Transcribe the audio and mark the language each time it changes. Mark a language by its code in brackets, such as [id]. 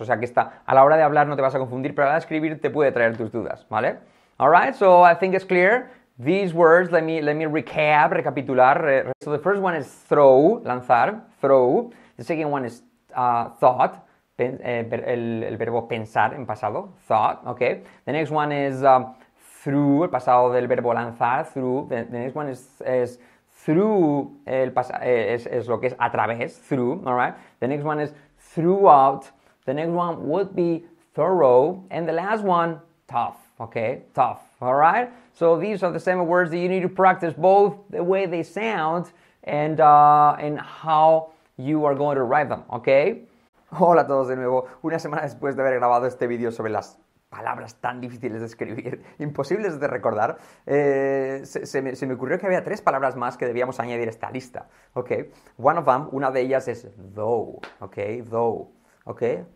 [es] O sea, que está, a la hora de hablar no te vas a confundir, pero a la hora de escribir te puede traer tus dudas, ¿vale? [en] Alright, so I think it's clear. These words, let me recap, recapitular. So the first one is throw, lanzar, throw. The second one is thought. [es] El verbo pensar en pasado, [en] thought, ok. The next one is through, [es] el pasado del verbo lanzar, [en] through. The next one is through, [es] es lo que es a través, [en] through, alright. The next one is throughout. The next one would be thorough. And the last one, tough, ok, tough, alright. So these are the seven words that you need to practice both the way they sound and how you are going to write them, ok. [es] Hola a todos de nuevo. Una semana después de haber grabado este vídeo sobre las palabras tan difíciles de escribir, imposibles de recordar, se me ocurrió que había tres palabras más que debíamos añadir a esta lista, ¿ok? [en] One of them, [es] una de ellas es though, ¿ok? Though, ¿ok?